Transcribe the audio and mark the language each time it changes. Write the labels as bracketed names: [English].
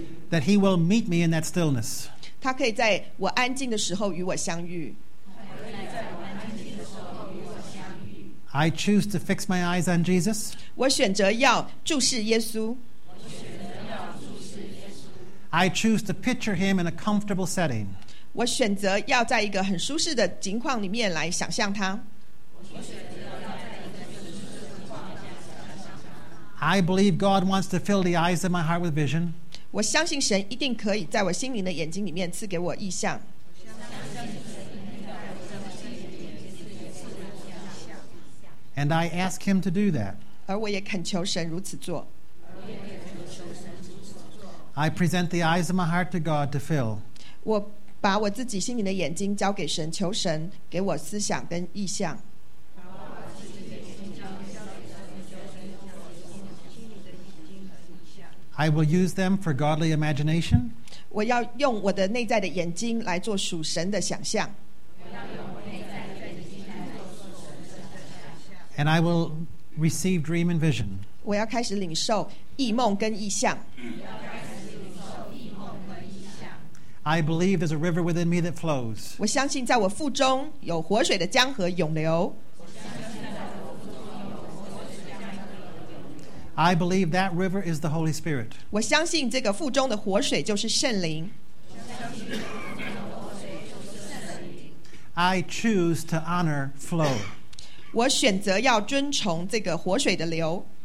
[English] that he will meet me in that stillness. [Chinese] 他可以在我安静的时候与我相遇。 [English] I choose to fix my eyes on Jesus. [Chinese] 我选择要注视耶稣。 [English] I choose to picture him in a comfortable setting. [Chinese] 我选择要在一个很舒适的情况里面来想象他。 [English] I believe God wants to fill the eyes of my heart with vision. [Chinese] 我相信神一定可以在我心灵的眼睛里面赐给我异象。 [English] And I ask him to do that. [Chinese] 而我也恳求神如此做。 [English] I present the eyes of my heart to God to fill. [Chinese] 我把我自己心灵的眼睛交给神，求神给我思想跟异象。 [English] I will use them for godly imagination. [Chinese] 我要用我的内在的眼睛来做属神的想象。 [English] And I will receive dream and vision. [Chinese] 我要开始领受异梦跟异象。 [English] I believe there's a river within me that flows. [Chinese] 我相信在我腹中有活水的江河涌流。 [English] I believe that river is the Holy Spirit. [Chinese] 我相信这个腹中的活水就是圣灵。 [English] I choose to honor flow. [Chinese] 我选择要遵从这个活水的流。